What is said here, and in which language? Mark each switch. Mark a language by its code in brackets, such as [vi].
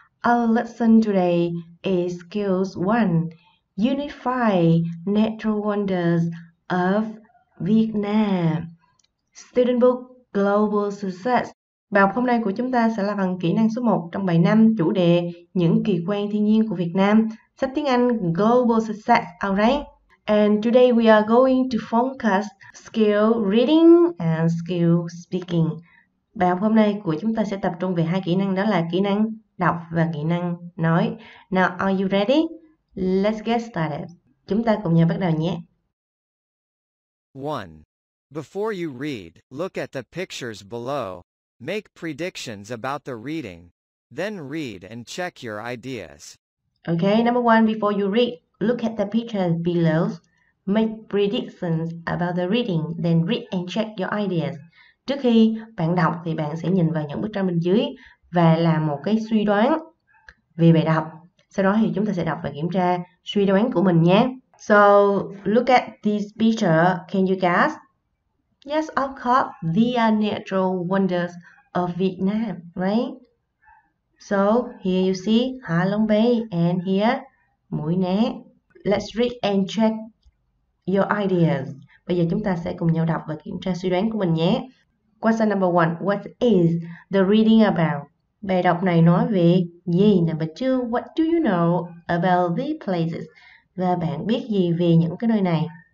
[en] Our lesson today is Skills 1, Unit 5, Natural Wonders of Vietnam. Student book Global Success. [vi] Bài học hôm nay của chúng ta sẽ là phần kỹ năng số 1 trong bài 5 chủ đề Những kỳ quan thiên nhiên của Việt Nam. Sách tiếng Anh Global Success, alright? [en] And today we are going to focus skill reading and skill speaking. [vi] Bài học hôm nay của chúng ta sẽ tập trung về hai kỹ năng, đó là kỹ năng đọc và kỹ năng nói. [en] Now, are you ready? Let's get started. [vi] Chúng ta cùng nhau bắt đầu nhé. [en] 1. Before you read, look at the pictures below. Make predictions about the reading. Then read and check your ideas. Okay, number 1, before you read, look at the pictures below. Make predictions about the reading. Then read and check your ideas. [vi] Trước khi bạn đọc thì bạn sẽ nhìn vào những bức tranh bên dưới và làm một cái suy đoán về bài đọc. Sau đó thì chúng ta sẽ đọc và kiểm tra suy đoán của mình nhé. [en] So, look at this picture. Can you guess? Yes, of course. These are natural wonders of Vietnam, right? So, here you see Ha Long Bay and here Mũi Né. Let's read and check your ideas. [vi] Bây giờ chúng ta sẽ cùng nhau đọc và kiểm tra suy đoán của mình nhé. [en] Question number 1. What is the reading about? [vi] Bài đọc này nói về gì? [en] Number 2. What do you know about these places? [vi] Và bạn biết gì về những cái nơi này?